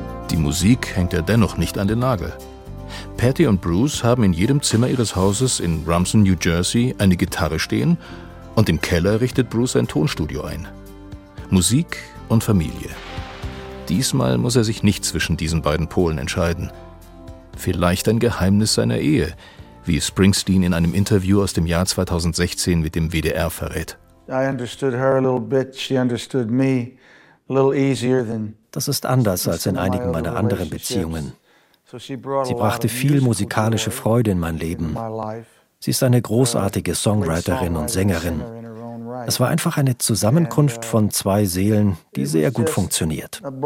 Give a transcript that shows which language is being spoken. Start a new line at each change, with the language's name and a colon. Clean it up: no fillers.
German: Die Musik hängt er dennoch nicht an den Nagel. Patty und Bruce haben in jedem Zimmer ihres Hauses in Rumson, New Jersey, eine Gitarre stehen und im Keller richtet Bruce ein Tonstudio ein. Musik und Familie. Diesmal muss er sich nicht zwischen diesen beiden Polen entscheiden. Vielleicht ein Geheimnis seiner Ehe, wie Springsteen in einem Interview aus dem Jahr 2016 mit dem WDR verrät.
English: I understood her a little bit, she understood me a little easier than.
German: Das ist anders als in einigen meiner anderen Beziehungen. Sie brachte viel musikalische Freude in mein Leben. Sie ist eine großartige Songwriterin und Sängerin. Es war einfach eine Zusammenkunft von zwei Seelen, die sehr gut funktioniert.